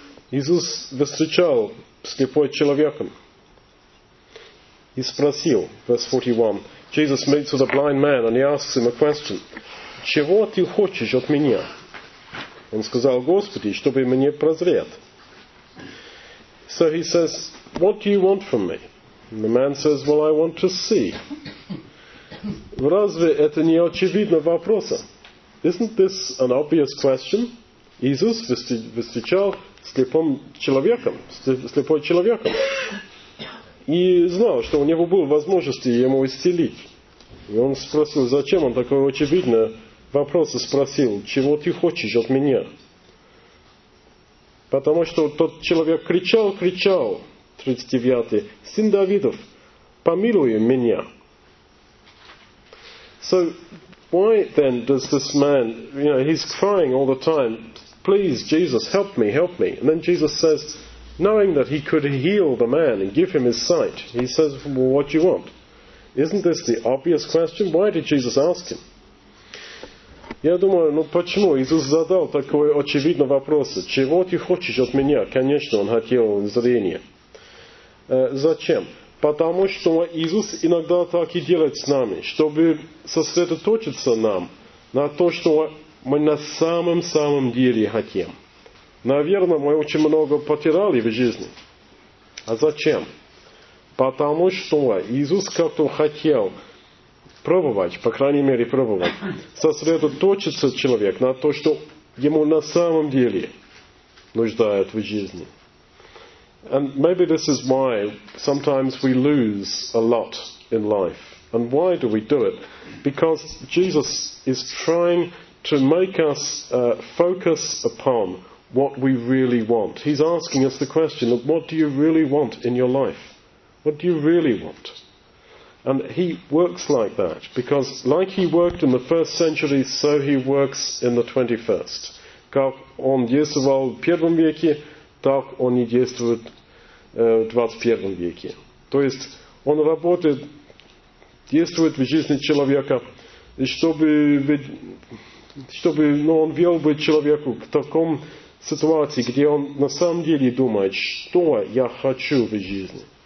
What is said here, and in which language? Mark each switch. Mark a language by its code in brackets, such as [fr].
[ru] Иисус встречал слепой человеком. И спросил, [en] verse 41, Jesus meets with a blind man and he asks him a question. [ru] Чего ты хочешь от меня? Он сказал, Господи, чтобы мне прозрел. [en] So he says, what do you want from me? And the man says, well, I want to see. [ru] Разве это не очевидно вопроса? [en] Isn't this an obvious question? [ru] Иисус встречал слепым человеком, слепой человеком. И знал, что у него было возможности ему исцелить. И он спросил, зачем он такой очевидный вопрос спросил, чего ты хочешь от меня? Потому что тот человек кричал, 39-й, сын Давидов, помилуй меня. [en] So, why then does this man, you know, he's crying all the time, please, Jesus, help me, help me. And then Jesus says, knowing that he could heal the man and give him his sight, he says, well, what do you want? Isn't this the obvious question? Why did Jesus ask him? [ru] Я думаю, ну почему Иисус задал такой очевидный вопрос? Чего ты хочешь от меня? Конечно, он хотел зрения. Зачем? Потому что Иисус иногда так и делает с нами, чтобы сосредоточиться нам на то, что мы на самом-самом деле хотим. Наверное, мы очень много потеряли в жизни. А зачем? Потому что Иисус как-то хотел пробовать, по крайней мере пробовать, сосредоточиться человек на то, что ему на самом деле нуждает в жизни. [en] And maybe this is why sometimes we lose a lot in life. And why do we do it? Because Jesus is trying to make us focus upon what we really want. He's asking us the question, what do you really want in your life? What do you really want? And he works like that. Because like he worked in the first century, so he works in the 21st. [ru] Как он действовал в первом веке, так он и действует в 21 веке. То есть он работает, действует в жизни человека, чтобы ну, он вел бы человеку к такому ситуации, где он на самом деле думает, что я хочу в жизни.